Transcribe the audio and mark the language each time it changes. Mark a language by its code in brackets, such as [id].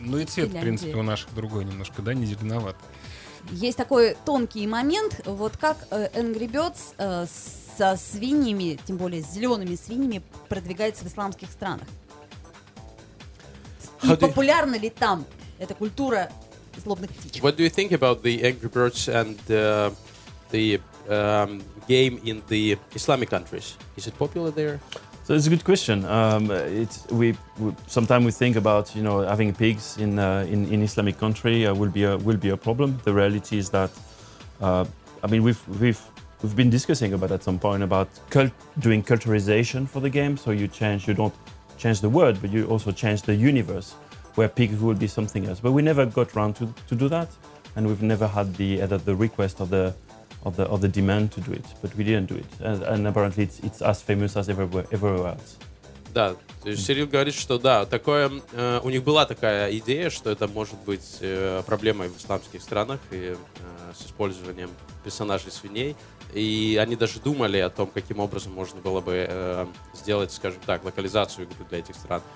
[ru] Ну и цвет, в принципе, у наших другой немножко, да, не зеленоват. Есть такой тонкий момент, вот как Angry Birds со свиньями, тем более с зелеными свиньями, продвигается в исламских странах. И популярна ли там эта культура злобных птичек? [en] What do you think about the Angry Birds and the game in the Islamic countries? Is it popular there? So it's a good question. We sometimes we think about, you know, having pigs in Islamic country will be a problem. The reality is that we've been discussing about at some point about doing culturization for the game. So you don't change the word, but you also change the universe where pigs would be something else. But we never got around to do that, and we've never had the request of the demand to do it, but we didn't do it. And apparently it's as famous as everywhere else. [ru] Да, то есть Серил говорит, что да, такое, у них была такая идея, что это может быть проблемой в исламских странах и с использованием персонажей свиней. И они даже думали о том, каким образом можно было бы сделать, скажем так, локализацию для этих стран.